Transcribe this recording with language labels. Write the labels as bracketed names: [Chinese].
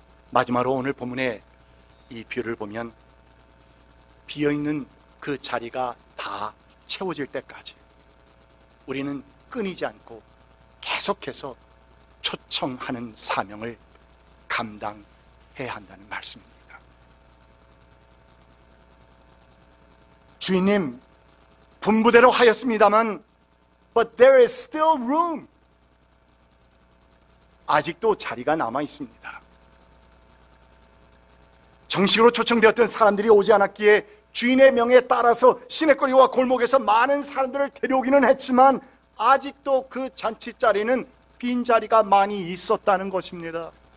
[Korean] 마지막으로 오늘 본문의 이 뷰를 보면 비어있는 그 자리가 다 채워질 때까지 우리는 끊이지 않고 계속해서 초청하는 사명을 감당해야 한다는 말씀입니다. 주님, 분부대로 하였습니다만 [English] But there is still room. [Korean] 아직도 자리가 남아있습니다. 정식으로 초청되었던 사람들이 오지 않았기에 주인의 명에 따라서 시내거리와 골목에서 많은 사람들을 데려오기는 했지만 아직도 그 잔치자리는 빈자리가 많이 있었다는 것입니다.